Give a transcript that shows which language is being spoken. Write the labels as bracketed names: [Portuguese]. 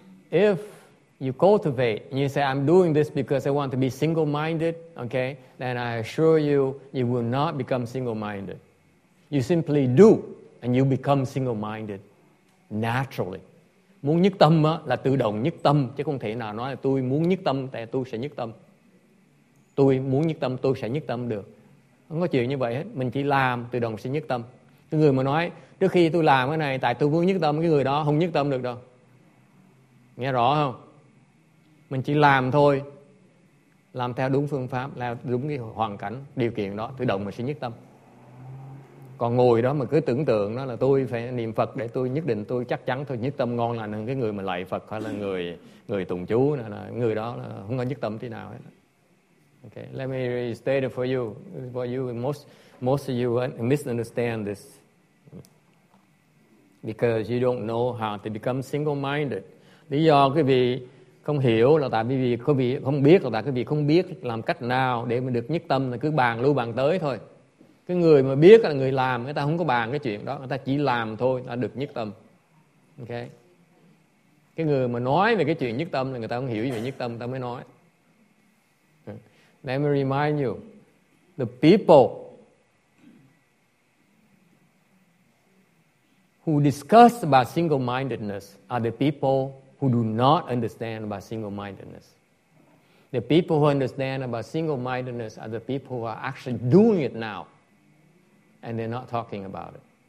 [English] If you cultivate, and you say, I'm doing this because I want to be single-minded, okay, then I assure you, you will not become single-minded. You simply do, and you become single-minded naturally. [Vietnamese] Muốn nhất tâm á, là tự động nhất tâm, chứ không thể nào nói là tôi muốn nhất tâm thì tôi sẽ nhất tâm. Tôi muốn nhất tâm tôi sẽ nhất tâm được. Không có chuyện như vậy hết. Mình chỉ làm tự động sẽ nhất tâm. Cái người mà nói trước khi tôi làm cái này tại tôi muốn nhất tâm, cái người đó không nhất tâm được đâu. Nghe rõ không? Mình chỉ làm thôi, làm theo đúng phương pháp, theo đúng cái hoàn cảnh, điều kiện đó, tự động mình sẽ nhất tâm. Còn ngồi đó mà cứ tưởng tượng đó là tôi phải niệm Phật để tôi nhất định, tôi chắc chắn tôi nhất tâm ngon lành hơn cái người mà lạy Phật hay là người người tụng chú, là người đó là không có nhất tâm tí nào hết. [English] Okay, let me restate it for you, most of you misunderstand this, because you don't know how to become single-minded. [Vietnamese] Lý do quý vị không hiểu là tại vì quý vị không biết, là tại quý vị không biết làm cách nào để mình được nhất tâm, là cứ bàn lưu bàn tới thôi. Cái người mà biết là người làm, người ta không có bàn cái chuyện đó, người ta chỉ làm thôi là được nhất tâm. Okay. Cái người mà nói về cái chuyện nhất tâm là người ta không hiểu về nhất tâm, người ta mới nói. [English] Let me remind you, the people who discuss about single-mindedness are the people who do not understand about single-mindedness. The people who understand about single-mindedness are the people who are actually doing it now, and they're not talking about it.